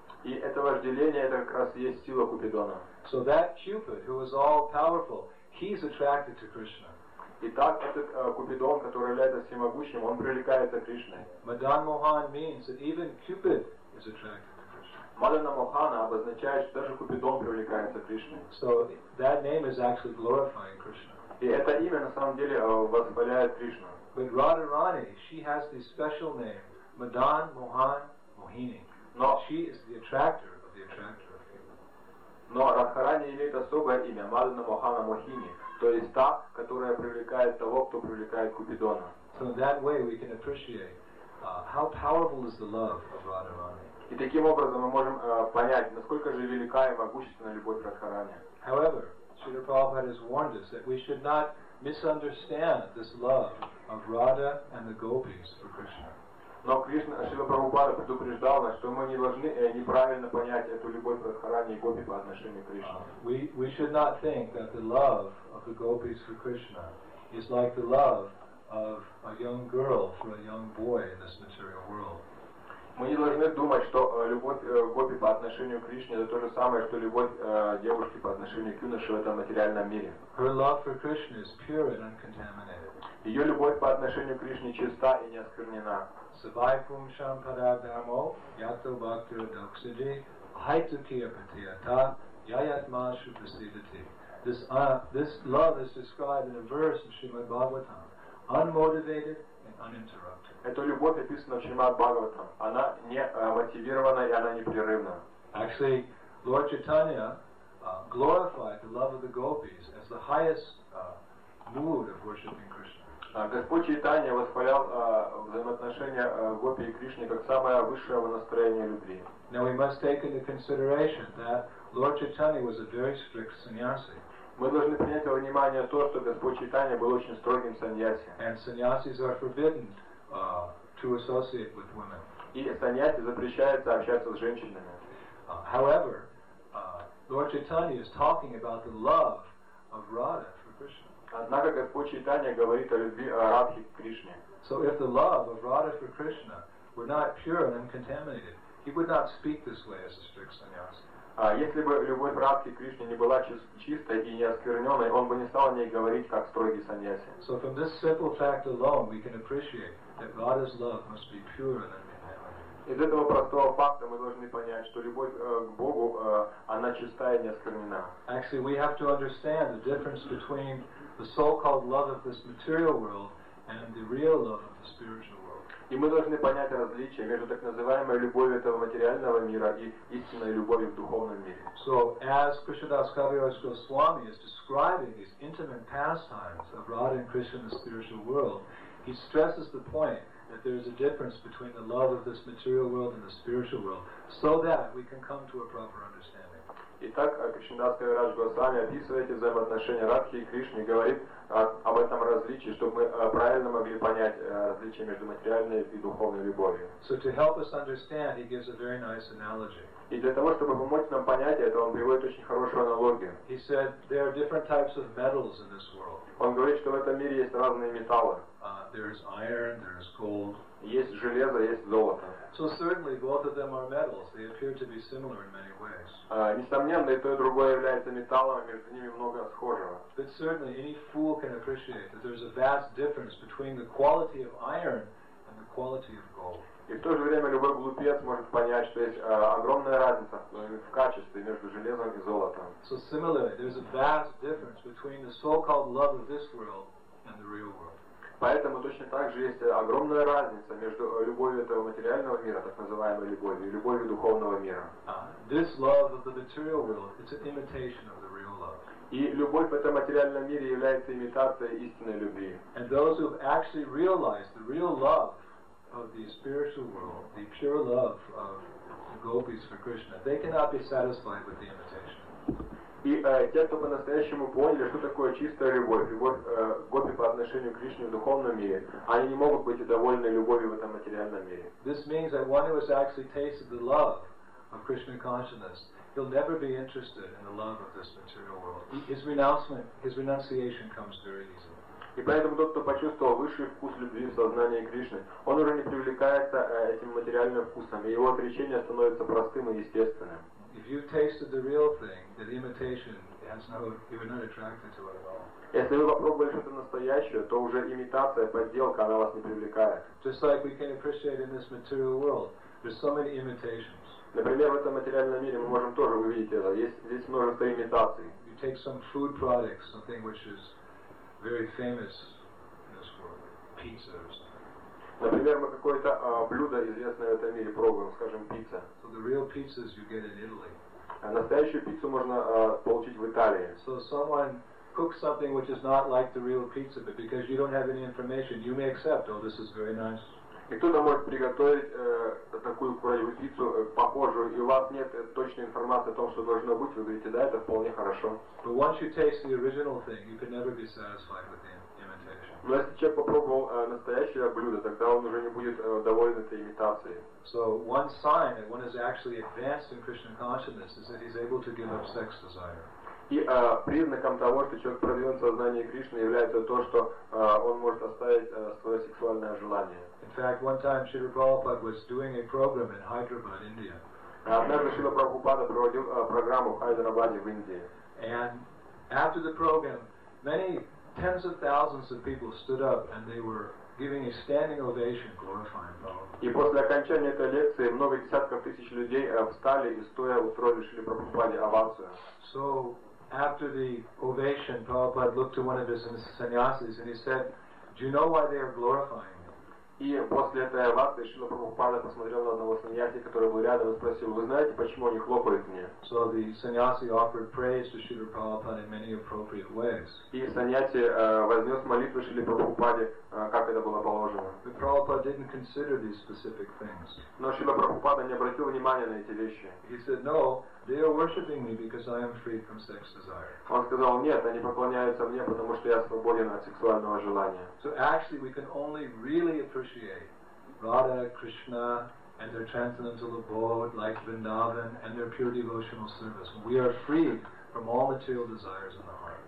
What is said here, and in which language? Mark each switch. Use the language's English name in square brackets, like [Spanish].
[Russian] И это вожделение, это как раз есть сила Купидона. [English] So that Cupid, who is all powerful, he's attracted to Krishna. [Russian] Итак, этот Купидон, который является всемогущим, он привлекается к Кришне. [English] Madan Mohan means that even Cupid is attracted. [Russian] Мадана Мохана обозначает, что даже Купидон привлекается к Кришне. [English] So that name is actually glorifying Krishna. [Russian] И это имя на самом деле восхваляет Кришну. [English] But Radharani, she has the special name Madan Mohan Mohini. [Russian] Но [English] she is the attractor of the attractor of Him. [Russian] Но Радхарани имеет особое имя Мадана Мохана Мохини, то есть та, которая привлекает того, кто привлекает Купидона. [English] So in that way we can appreciate how powerful is the love of Radharani. [Russian] И таким образом мы можем понять, насколько же велика и могущественна любовь Радхарани. [English] However, Śrīla Prabhupāda has warned us that we should not misunderstand this love of Radha and the gopis for Krishna. [Russian] Но Кришна, Śrīla Prabhupāda предупреждал нас, что мы не должны неправильно понять эту любовь Радхарани и гопи по отношению к Кришне. [English] We should not think that the love of the gopis for Krishna is like the love of a young girl for a young boy in this material world. [Russian] Мы не должны думать, что любовь гопи по отношению к Кришне — это то же самое, что любовь девушки по отношению к юноше в этом материальном мире. [English] Her love for Krishna is pure and uncontaminated. [Russian] Ее любовь по отношению к Кришне чиста и не осквернена. [Sanskrit] Сивайпум шампада дамо, ято бхактир доксиджи, хайтукия патията, яятма шупасидати. [English] This love is described in a verse in Srimad Bhagavatam. Unmotivated, and uninterrupted. [Russian] Эта любовь описана в Шримад-Бхагаватам. Она не мотивирована и она непрерывна. [English] Actually, Lord Chaitanya glorified the love of the gopis as the highest mood of worshiping Krishna. [Russian] Господь Чайтанья восхвалял взаимоотношения гопи и Кришны как самое высшее настроение любви. [English] Now we must take into consideration that Lord Chaitanya was a very strict sannyasi. [Russian] Мы должны принять во внимание то, что Господь Чайтанья был очень строгим сannyasi. [English] And sannyasis are forbidden to associate with women. [Russian] И sannyasi запрещается общаться с женщинами. [English] However, Lord Chaitanya is talking about the love of Radha for Krishna. [Russian] Однако Господь Чайтанья говорит о любви Радхи к Кришне. [English] So if the love of Radha for Krishna were not pure and uncontaminated, he would not speak this way as a strict sannyasi. [Russian] Если бы любовь Радхи Кришне не была чистой и неоскверненной, он бы не стал о ней говорить как строгий саньяси. [English] So from this simple fact alone, we can appreciate that Radha's love must be pure and [Russian] Из этого простого факта мы должны понять, что любовь к Богу, она чиста и неоскорнена. [English] Actually, we have to understand the difference between the so-called love of this material world and the real love of the spiritual world. [Russian] И мы должны понять различие между так называемой любовью этого материального мира и истинной любовью в духовном мире. [English] So, as Krishnadas Kaviraj Goswami is describing these intimate pastimes of Radha and Krishna in the spiritual world, he stresses the point that there is a difference between the love of this material world and the spiritual world, so that we can come to a proper understanding. [Russian] Итак, Кришнадас Кавираж Госвами описывает взаимоотношения Радхи и Кришны, говорит об этом различии, чтобы мы правильно могли понять различие между материальной и духовной любовью. [English] So to help us understand, he gives a very nice analogy. [Russian] И для того, чтобы помочь нам понять это, он приводит очень хорошую аналогию. [English] He said, there are different types of metals in this world. [Russian] Он говорит, что в этом мире есть разные металлы. [English] There is iron, there is gold. [Russian] Есть железо, есть золото. [English] So certainly both of them are metals. They appear to be similar in many ways. [Russian] Несомненно, и то, и другое является металлом, между ними много схожего. [English] But certainly any fool can appreciate that there's a vast difference between the quality of iron and the quality of gold. [Russian] И в то же время любой глупец может понять, что есть огромная разница в качестве между железом и золотом. [English] So similarly, there's a vast difference between the so-called love of this world and the real world. [Russian] Поэтому точно так же есть огромная разница между любовью этого материального мира, так называемой любовью, и любовью духовного мира. [English] This love of the material world, it's an imitation of the real love. [Russian] И любовь в этом материальном мире является имитацией истинной любви. [English] And those who have actually realized the real love of the spiritual world, the pure love of the gopis for Krishna, they cannot be satisfied with the imitation. [Russian] И те, кто по-настоящему поняли, что такое чистая любовь, любовь гопи по отношению к Кришне в духовном мире, они не могут быть довольны любовью в этом материальном мире. [English] This means that one who has actually tasted the love of Krishna consciousness, he'll never be interested in the love of this material world. His renunciation comes very easily. [Russian] И поэтому тот, кто почувствовал высший вкус любви в сознании Кришны, он уже не привлекается этим материальным вкусом, и его отречение становится простым и естественным. [English] If you've tasted the real thing, that imitation has no, you're not attracted to it at all. [Russian] Если вы попробовали что-то настоящее, то уже имитация, подделка, она вас не привлекает. [English] Just like we can appreciate in this material world, there's so many imitations. [Russian] Например, в этом материальном мире мы можем тоже увидеть это. Здесь множество имитаций. [English] You take some food products, something which is very famous in this world, pizza or something. [Russian] Например, мы какое-то блюдо известное в этом мире пробуем, скажем, пицца. [English] So the real pizzas you get in Italy. [Russian] А настоящую пиццу можно получить в Италии. [English] So someone cooks something which is not like the real pizza, but because you don't have any information, you may accept, oh, this is very nice. [Russian] И кто-то может приготовить такую какую-нибудь пиццу, похожую, и у вас нет точной информации о том, что должно быть, вы говорите, да, это вполне хорошо. [English] But once you taste the original thing, you can never be satisfied with the imitation. [Russian] Но если человек попробовал настоящее блюдо, тогда он уже не будет доволен этой имитацией. [English] So one sign that one is actually advanced in Krishna consciousness is that he's able to give up sex desire. [Russian] И признаком того, что человек продвинул сознание Кришны, является то, что он может оставить свое сексуальное желание. [English] In fact, one time Srila Prabhupada was doing a program in Hyderabad, India. [Russian] Однажды Шрила Прабхупада проводил программу в Хайдерабаде, в Индии. [English] And after the program, many tens of thousands of people stood up and they were giving a standing ovation, glorifying Prabhupada. [Russian] И после окончания этой лекции много десятков тысяч людей встали и стоя устроили Шрила Прабхупаде овацию. [English] So after the ovation, Prabhupada looked to one of his sannyasis and he said, "Do you know why they are glorifying?" [Russian] И после этой овации Шрила Прабхупада посмотрел на одного саньяси, который был рядом, и спросил: «Вы знаете, почему они хлопают мне?» [English] So the sannyasi offered praise to Srila Prabhupada in many appropriate ways. [Russian] И саньяси вознес молитву Шриле Прабхупаде, как это было положено. [English] But Prabhupada didn't consider these specific things. [Russian] Но Шрила Прабхупада не обратил внимания на эти вещи. [English] He said, no, they are worshiping me because I am free from sex desire. [Russian] Он сказал: «Нет, они поклоняются мне, потому что я свободен от сексуального желания». [English] So actually, we can only really appreciate Radha, Krishna, and their transcendental abode, like Vrindavan, and their pure devotional service. We are free from all material desires in the heart.